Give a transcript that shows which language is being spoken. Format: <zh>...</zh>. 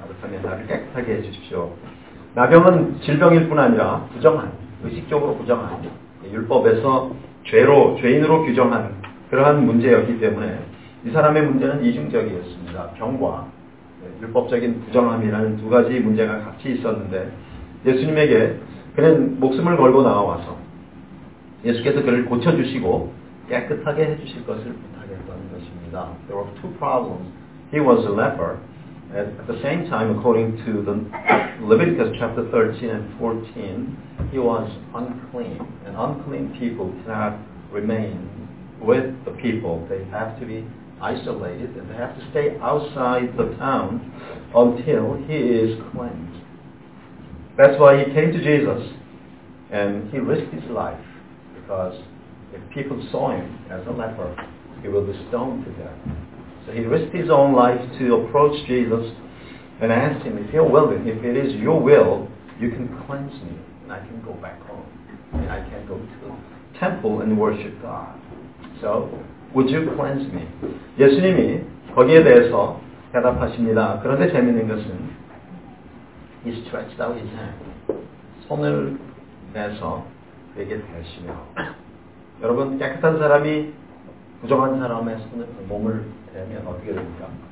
<ko>그렇다면 나를 깨끗하게 해주십시오. 나병은 질병일 뿐 아니라 부정한, 의식적으로 부정한, 율법에서 죄인으로 규정한 그러한 문제였기 때문에 이 사람의 문제는 이중적이었습니다. 병과 율법적인 부정함이라는 두 가지 문제가 같이 있었는데 예수님에게 그는 목숨을 걸고 나와서 예수께서 그를 고쳐주시고 깨끗하게 해주실 것을 부탁했던 것입니다.</ko> <en>There were two problems. He was a leper. At the same time, according to the Leviticus chapter 13 and 14, he was unclean. And unclean people cannot remain with the people. They have to be isolated and they have to stay outside the town until he is cleansed. That's why he came to Jesus and he risked his life because if people saw him as a leper, he would be stoned to death. So he risked his own life to approach Jesus and ask him, if you're willing, if it is your will, you can cleanse me and I can go back home. And I can go to the temple and worship God. So, would you cleanse me?</en> <ko>예수님이 거기에 대해서 대답하십니다. 그런데 재미있는 것은</ko> <en>he stretched out his hand.</en> <ko>손을 내서 그에게 대시며 여러분, 깨끗한 사람이 부정한 사람의 손을, 몸을 되면 어떻게 됩니까?</ko>